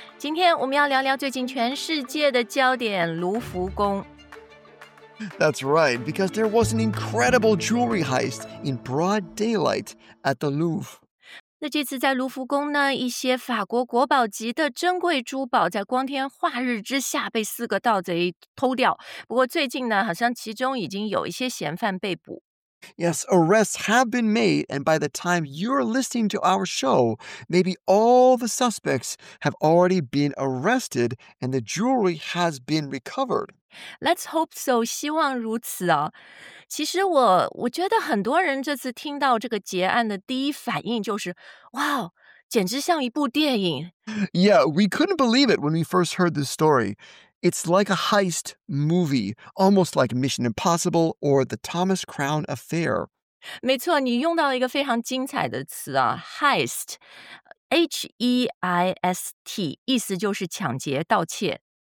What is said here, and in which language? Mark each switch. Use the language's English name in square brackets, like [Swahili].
[Chinese] 今天我们要聊聊最近全世界的焦点——卢浮宫。 [English] That's right, because there was an incredible jewelry heist in broad daylight at the Louvre. [Chinese] 那这次在卢浮宫呢，一些法国国宝级的珍贵珠宝在光天化日之下被四个盗贼偷掉。不过最近呢，好像其中已经有一些嫌犯被捕。 [English] Yes, arrests have been made, and by the time you're listening to our show, maybe all the suspects have already been arrested and the jewelry has been recovered. Let's hope so, [Chinese] 希望如此啊。其实我觉得很多人这次听到这个劫案的第一反应就是，哇，简直像一部电影。 [English] Yeah, we couldn't believe it when we first heard this story. It's like a heist movie, almost like Mission Impossible or the Thomas Crown Affair. [Chinese] 没错，你用到了一个非常精彩的词啊 ,heist, H-E-I-S-T, 意思就是抢劫、盗窃。